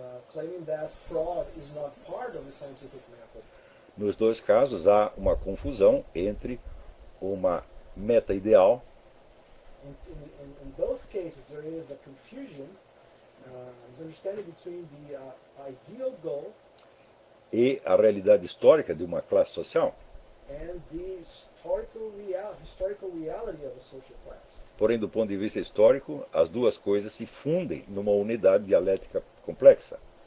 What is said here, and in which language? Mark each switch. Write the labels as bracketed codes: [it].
[en] Claiming that fraud is not part of the scientific method. [pt] Nos dois casos há uma confusão entre uma meta ideal. [en] In both cases there is a confusion, misunderstanding between the ideal goal [pt] e a realidade histórica de uma classe social. [en] And the historical reality of a social class. [pt] Porém, do ponto de vista histórico, as duas coisas se fundem numa unidade dialética complexa.